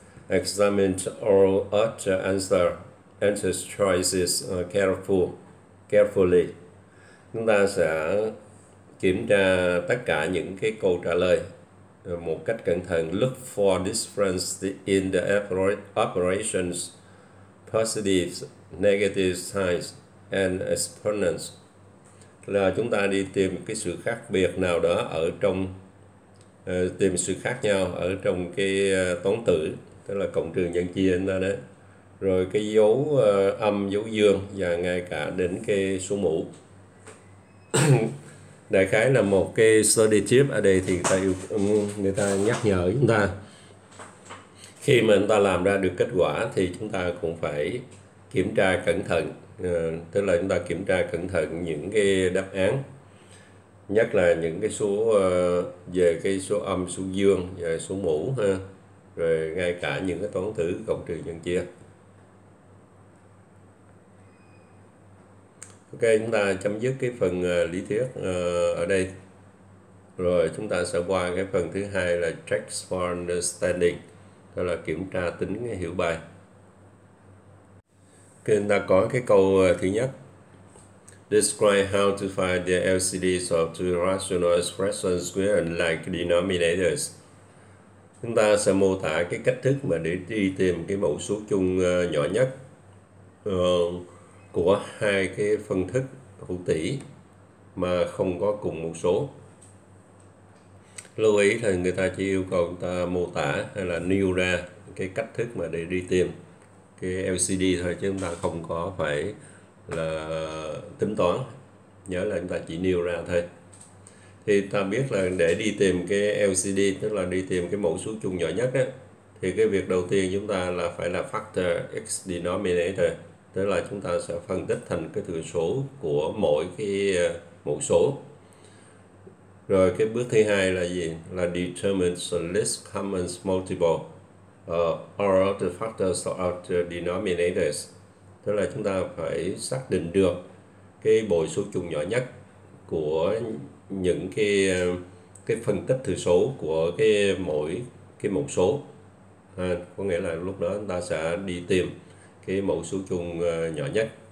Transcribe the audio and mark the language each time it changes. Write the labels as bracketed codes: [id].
[en] examined all other answers choices carefully. [vi] Chúng ta sẽ kiểm tra tất cả những cái câu trả lời một cách cẩn thận. [en] Look for difference in the operations, positives, negative signs, and exponents. [vi] Là chúng ta đi tìm cái sự khác biệt nào đó ở trong tìm sự khác nhau ở trong cái toán tử, tức là cộng trừ nhân chia chúng ta đấy, rồi cái dấu âm, dấu dương và ngay cả đến cái số mũ. Đại khái là một cái study tip ở đây thì người ta nhắc nhở chúng ta khi mà chúng ta làm ra được kết quả thì chúng ta cũng phải kiểm tra cẩn thận, tức là chúng ta kiểm tra cẩn thận những cái đáp án, nhất là những cái số về cái số âm, số dương và số mũ ha, rồi ngay cả những cái toán tử cộng trừ nhân chia. Ok, chúng ta chấm dứt cái phần lý thuyết ở đây. Rồi chúng ta sẽ qua cái phần thứ hai là [en] check for understanding, [vi] đó là kiểm tra tính hiểu bài. Ok, chúng ta có cái câu thứ nhất. [en] Describe how to find the LCDs of two rational expressions with unlike denominators. [vi] Chúng ta sẽ mô tả cái cách thức mà để đi tìm cái mẫu số chung nhỏ nhất của hai cái phân thức hữu tỉ mà không có cùng một số. Lưu ý là người ta chỉ yêu cầu chúng ta mô tả hay là nêu ra cái cách thức mà để đi tìm cái LCD thôi, chứ chúng ta không có phải là tính toán. Nhớ là chúng ta chỉ nêu ra thôi. Thì ta biết là để đi tìm cái LCD, tức là đi tìm cái mẫu số chung nhỏ nhất ấy, thì cái việc đầu tiên chúng ta là phải là [en] factor x denominator, [vi] tức là chúng ta sẽ phân tích thành cái thừa số của mỗi cái mẫu số. Rồi cái bước thứ hai là gì? [en] Là determine the least common multiple or the factors of the denominators. [vi] Tức là chúng ta phải xác định được cái bộ số chung nhỏ nhất của những cái phân tích thừa số của cái mỗi cái mẫu số. À, có nghĩa là lúc đó chúng ta sẽ đi tìm cái mẫu số chung nhỏ nhất.